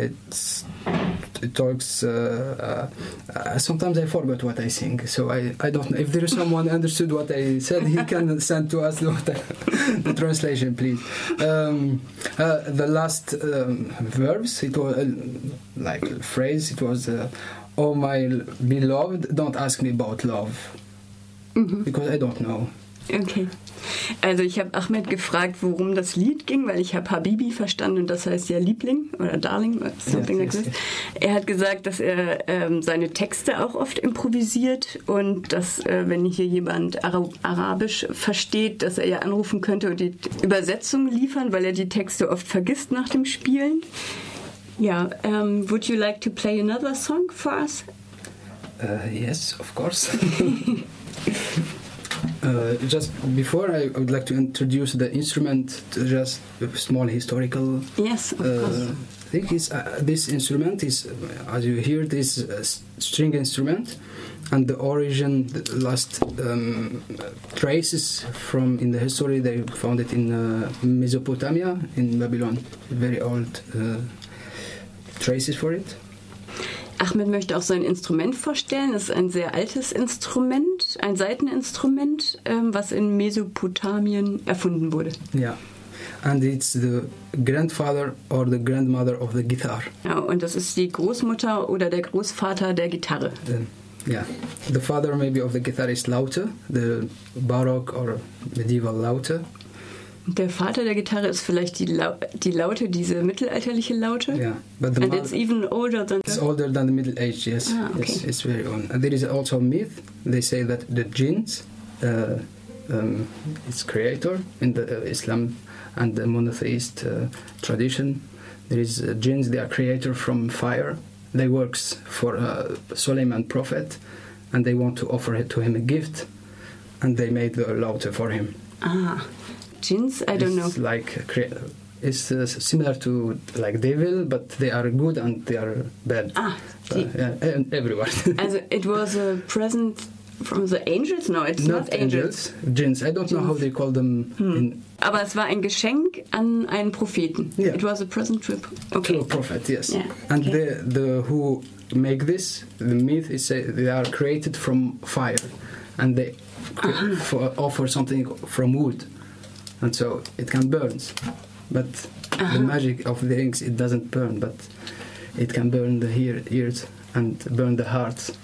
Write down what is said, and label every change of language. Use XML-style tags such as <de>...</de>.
<en>Sometimes I forget what I sing, so I don't know. If there is someone understood what I said, he can send to us the translation, please. The last verbs, it was like a phrase, it was... Oh, my beloved, don't ask me about love. Mhm. Because I don't know. Okay.</en> <de>Also ich habe Ahmed gefragt, worum das Lied ging, weil ich habe Habibi verstanden und das heißt ja Liebling oder Darling.</de> <en>Something like this.</en> <de>Er hat gesagt, dass er seine Texte auch oft improvisiert und dass, wenn hier jemand Arabisch versteht, dass er ja anrufen könnte und die Übersetzung liefern, weil er die Texte oft vergisst nach dem Spielen.</de> <en>Yeah, would you like to play another song for us? Yes, of course. just before, I would like to introduce the instrument, to just a small historical... Yes, of course. Thing is, this instrument is, as you hear, this string instrument, and the origin, the last traces from in the history, they found it in Mesopotamia, in Babylon, very old... traces for it.</en> <de>Ahmed möchte auch sein Instrument vorstellen. Es ist ein sehr altes Instrument, ein Saiteninstrument, was in Mesopotamien erfunden wurde.</de> <en>Yeah. And it's the grandfather or the grandmother of the guitar.</en> <de>Ja, und das ist die Großmutter oder der Großvater der Gitarre.</de> <en>Yeah. The father maybe of the guitar is laute, the baroque or medieval laute.</en> <de>Der Vater der Gitarre ist vielleicht die Laute, diese mittelalterliche Laute.</de> <en>Yeah, but and it's even older than it's older than the Middle Age, yes. Ah, okay. It's very old. And there is also a myth. They say that the jinns, its creator in the Islam and the monotheist tradition, there is jinns, they are creator from fire. They works for Suleiman prophet, and they want to offer it to him a gift, and they made the laute for him. Ah, jinns, I don't know. It's similar to like devil, but they are good and they are bad. Ah, yeah, and everyone. Also, it was a present from the angels? No, it's not angels. Jinns. I don't know how they call them.</en> <de>Aber es war ein Geschenk an einen Propheten.</de> <en>Yeah. It was a present trip. Okay. To a prophet, yes. Yeah. And okay. the who make this, the myth is they are created from fire and they offer something from wood. And so it can burn, but the magic of the inks, it doesn't burn, but it can burn the ears and burn the hearts.</en>